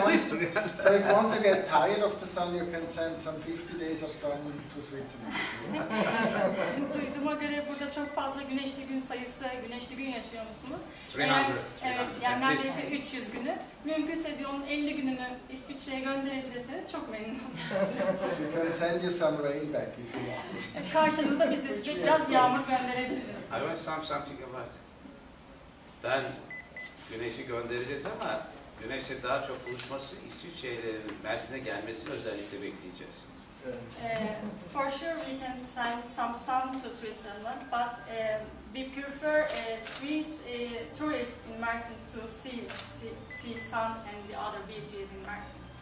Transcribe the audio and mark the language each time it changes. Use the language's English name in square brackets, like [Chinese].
[English] So if once you get tired of the sun, you can send some 50 days of sun to Switzerland. [Turkish] Duyduğuma göre burada çok fazla güneşli gün sayısı, güneşli gün yaşıyor musunuz? [English] 300. [Turkish] Evet, yani neredeyse 300 günü. Mümkünse diyor, 50 gününü İsviçre'ye gönderebilirseniz çok memnun oluruz. [English] We can send you some rain back if you want. [Turkish] Karşılığında biz de size biraz yağmur gönderebiliriz. [English] I want something about then. [Turkish] Güneşi göndereceğiz ama güneşle daha çok buluşması İsviçre'lerin Mersin'e gelmesini özellikle bekleyeceğiz. [English] For sure we can send some sun to Switzerland, but we prefer Swiss tourists in Mersin to see sun and the other beaches in Mersin.